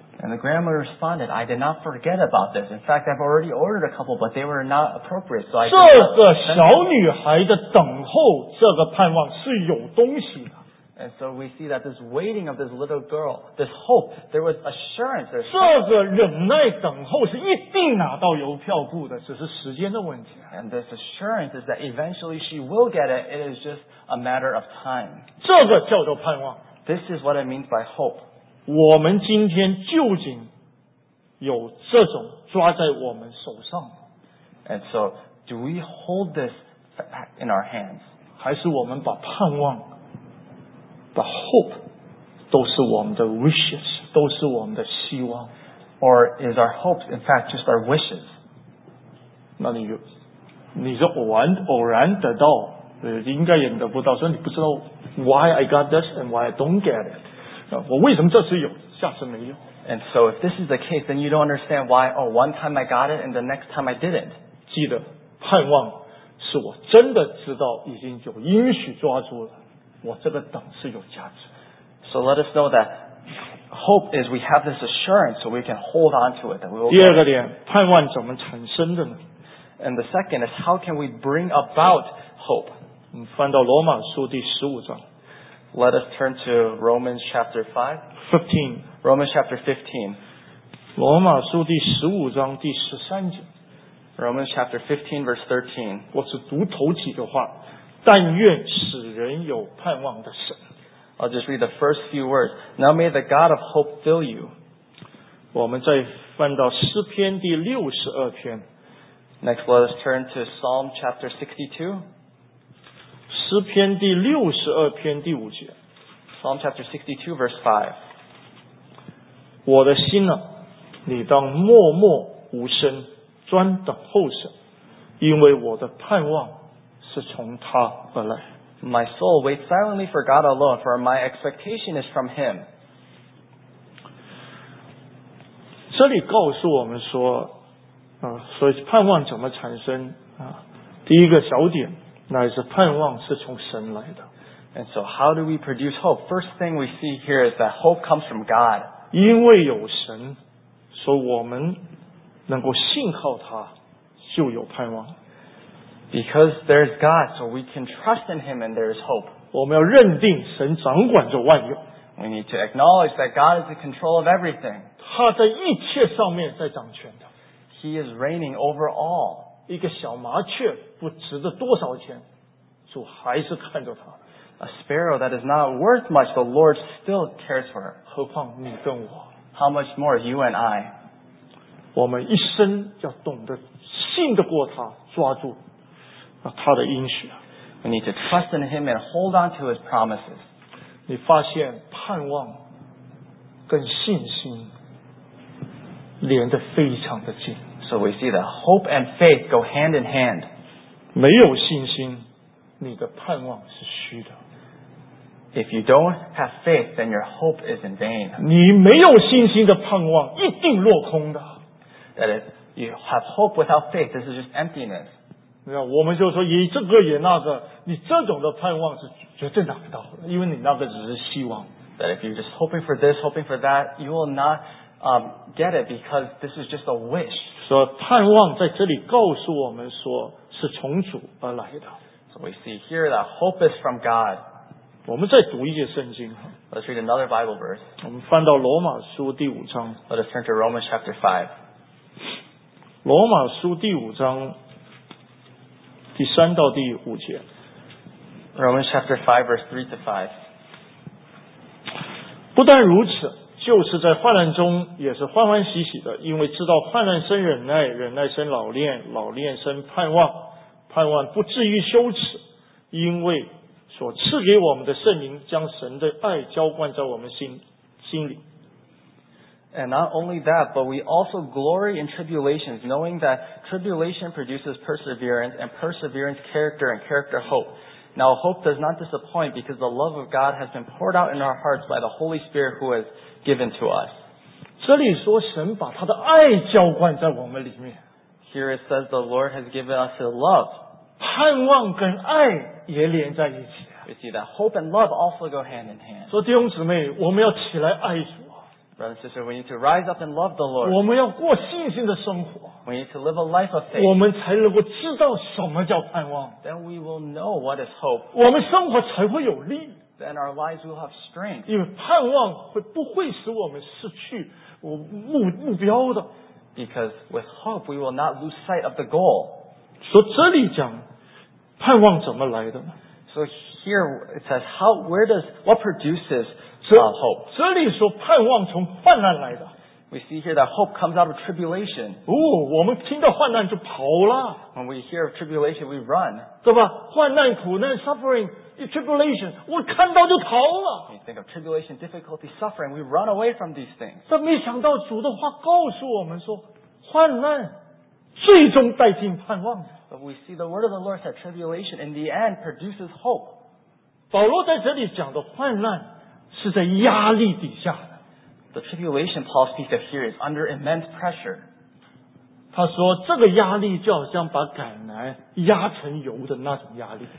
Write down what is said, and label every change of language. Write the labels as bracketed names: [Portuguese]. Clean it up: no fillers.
[English] And the grandma responded, "I did not forget about this. In fact, I've already ordered a couple, but they were not appropriate." So I [Chinese] 这个小女孩的等候，这个盼望是有东西的。 [English] And so we see that this waiting of this little girl, this hope, there was assurance. [Chinese] 这个忍耐等候是一定拿到邮票簿的，只是时间的问题。 [English] And this assurance is that eventually she will get it. It is just a matter of time. [Chinese] 这个叫做盼望。 [English] This is what it means by hope. [Chinese] 我们今天究竟有这种抓在我们手上吗？ [English] And so do we hold this in our hands? [Chinese] 还是我们把盼望 [English] The hope [Chinese] 都是我们的 [English] wishes [Chinese] 都是我们的希望 [English] Or is our hopes in fact just our wishes? [Chinese] 那你就偶然得到应该也得不到，所以你不知道 [English] why I got this and why I don't get it. [Chinese] 我为什么这次有，下次没有？ [English] And so if this is the case, then you don't understand why, oh, one time I got it and the next time I didn't. [Chinese] 记得，盼望是我真的知道已经有应许抓住了，我这个等是有价值。 [English] So let us know that hope is we have this assurance so we can hold on to it. That we will [Chinese] 第二个点，盼望怎么产生的呢？ [English] And the second is how can we bring about hope? [Chinese] 翻到罗马书第十五章。 [English] Let us turn to Romans chapter 5. 15. Romans chapter 15. [Chinese] 罗马书第十五章第十三节。 [English] Romans chapter 15 verse 13. [Chinese] 我只读头几个话。但愿使人有盼望的神。 [English] I'll just read the first few words. Now may the God of hope fill you. [Chinese] 我们再翻到诗篇第六十二篇。 [English] Next, let us turn to Psalm chapter 62. [Chinese] 诗篇第六十二篇第五节。 [English] Psalm chapter 62 verse 5. [Chinese] 我的心啊，你当默默无声，专等候神，因为我的盼望是从他而来。 [English] My soul, wait silently for God alone, for my expectation is from him. [Chinese] 这里告诉我们说所以盼望怎么产生第一个小点乃是盼望是从神来的。 [English] And so how do we produce hope? First thing we see here is that hope comes from God. [Chinese] 因为有神所以我们能够信靠他就有盼望。 [English] Because there is God, so we can trust in him and there is hope. [Chinese] 我们要认定神掌管着万有。 [English] We need to acknowledge that God is in control of everything. [Chinese] 他在一切上面在掌权的。 [English] He is reigning over all. [Chinese] 一个小麻雀不值得多少钱，主还是看着他。 [English] A sparrow that is not worth much, the Lord still cares for her. [Chinese] 何况你跟我。 [English] How much more you and I? [Chinese] 我们一生要懂得信得过他，抓住他的应许。 [English] We need to trust in him and hold on to his promises. [Chinese] 你发现盼望跟信心连得非常的近。 [English] So we see that hope and faith go hand in hand. [Chinese] 没有信心，你的盼望是虚的。 [English] If you don't have faith, then your hope is in vain. [Chinese] 你没有信心的盼望一定落空的。 [English] That is, you have hope without faith, this is just emptiness. [Chinese] 那我们就说，也这个也那个，你这种的盼望是绝对拿不到的，因为你那个只是希望。 [English] That if you're just hoping for this, hoping for that, you will not get it because this is just a wish. [Chinese] 所以盼望在这里告诉我们说是从主而来的。 [English] So we see here that hope is from God. [Chinese] 我们再读一节圣经。 [English] Let's read another Bible verse. [Chinese] 我们翻到罗马书第五章。 [English] Let us turn to Romans chapter 5. [Chinese] 罗马书第五章第三到第五节。 [English] Romans chapter 5 verse 3 to 5. [Chinese] 不但如此就是在患难中也是欢欢喜喜的因为知道患难生忍耐忍耐生老练老练生盼望盼望不至于羞耻因为所赐给我们的圣灵将神的爱浇灌在我们 心里 [English] And not only that but we also glory in tribulations knowing that tribulation produces perseverance and perseverance character and character hope Now hope does not disappoint because the love of God has been poured out in our hearts by the Holy Spirit who hasgiven to us. [Chinese] 这里说神把他的爱浇灌在我们里面。 [English] Here it says the Lord has given us his love. [Chinese] 盼望跟爱也连在一起。 [English] We see that hope and love also go hand in hand. [Chinese] 说弟兄姊妹我们要起来爱主。 [English] Brother and sister, we need to rise up and love the Lord. [Chinese] 我们要过信心的生活。 [English] We need to live a life of faith. [Chinese] 我们才能够知道什么叫盼望。 [English] Then we will know what is hope. [Chinese] 我们生活才会有力。 [English] Then our lives will have strength. [Chinese] 因为盼望会不会使我们失去目标的。 [English] Because with hope, we will not lose sight of the goal. [Chinese] 所以这里讲盼望怎么来的呢 [English] So here it says, what produces hope? [Chinese] 这里说盼望从患难来的。 [English] We see here that hope comes out of tribulation. [Chinese] 哦，我们听到患难就跑了。 [English] When we hear of tribulation, we run. [Chinese] 对吧？患难、苦难、 [English] suffering, tribulation, [Chinese] 我看到就逃了。 [English] We think of tribulation, difficulty, suffering, we run away from these things. [Chinese] 但没想到主的话告诉我们说，患难最终带进盼望。 [English] But we see the word of the Lord that tribulation in the end produces hope. [Chinese] 保罗在这里讲的患难是在压力底下的。 [English] The tribulation Paul speaks of here is under immense pressure. [Chinese] 他说这个压力就好像把橄榄压成油的那种压力。